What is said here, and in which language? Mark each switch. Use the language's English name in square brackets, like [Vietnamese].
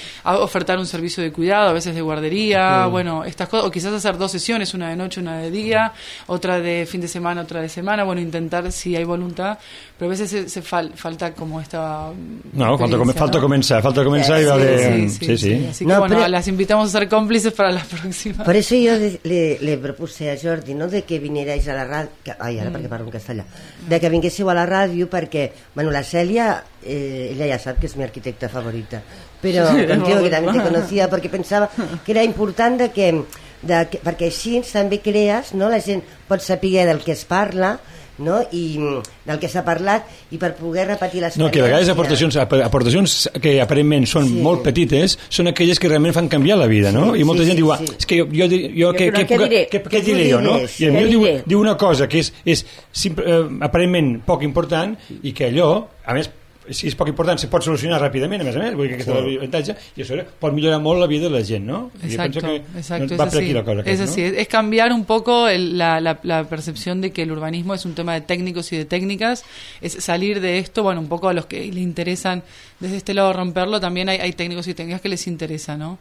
[Spanish] A ofertar un servicio de cuidado, a veces de guardería, bueno, estas cosas, o quizás hacer dos sesiones, una de noche, una de día, otra de fin de semana, otra de semana, bueno, intentar si hay voluntad, pero a veces se falta como esta... No, falta comenzar y va de... Sí. Así que no, bueno, pero... las invitamos a ser cómplices para la próxima. Por eso yo le propuse a Jordi, ¿no?, de que vinierais a la radio... Ay, ahora porque [Catalan] parlo en castellà. De que vinguéssiu a la ràdio perquè, bueno, la Cèlia, ella ja sap que és [Spanish] mi arquitecta favorita, [Catalan] però [Spanish] contigo, [Catalan] que també [Spanish] te conocía, [Catalan] perquè pensava que era important de que, perquè així també crees, no?, la gent pot saber del que es parla, no?, i del que s'ha parlat, i per poder repetir l'experiència. No, que a vegades aportacions que aparentment són molt petites són aquelles que realment fan canviar la vida, no? I molta gent diu, és que jo què diré, no? I a mi diu una cosa que és aparentment poc important i que allò, a més, si és poc important, se pot solucionar ràpidament, a més a més, vull dir que aquest avantatge, i això pot millorar molt la vida de la gent, no? [Spanish] Exacto, es cambiar un poco la percepción de que el urbanismo es un tema de técnicos y de técnicas, es salir de esto, bueno, un poco a los que le interesan desde este lado romperlo, también hay técnicos y técnicas que les interesa, ¿no?